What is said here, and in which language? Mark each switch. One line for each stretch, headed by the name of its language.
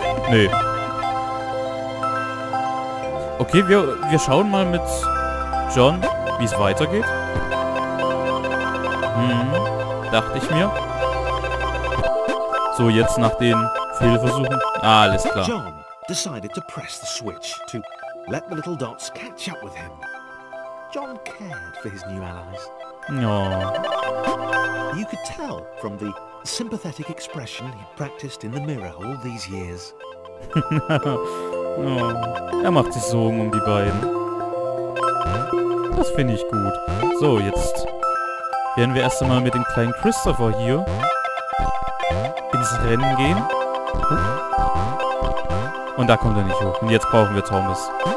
German: Nee. Okay, wir schauen mal mit John, wie es weitergeht. Dachte ich mir. So, jetzt nach den Fehlversuchen. Ah, alles klar.
English: John decided to press the switch to let the little dots catch up with him. John cared for his new allies. No. You could tell from the sympathetic expression he practiced in the mirror all these years. No.
German: Er macht sich Sorgen um die beiden. Das finde ich gut. So, jetzt werden wir erst einmal mit dem kleinen Christopher hier ins Rennen gehen. Und da kommt er nicht hoch. Und jetzt brauchen wir Thomas.